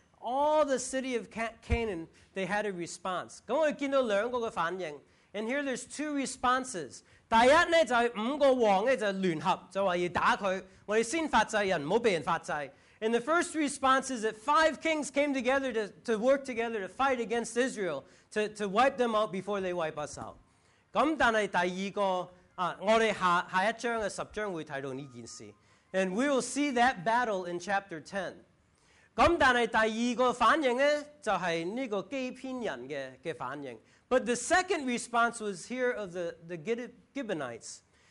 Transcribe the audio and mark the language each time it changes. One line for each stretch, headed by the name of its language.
English: all the city of Canaan, they had a response.
Chinese: 我们看到两个的反应,
English: and here there's two responses.
Chinese: 第一呢,就是五个王就联合,就说要打他,我们先发制人,不要被人发制。
English: And the first response is that five kings came together to work together to fight against Israel, to wipe them out before they wipe us out.
Chinese: 但是第二个, 我们下一章的十章会提到这件事。
English: And we will see that battle in chapter 10.
Chinese: 但是第二个反应呢,就是这个基篇人的反应。
English: But the second response was here of the Gibeonites.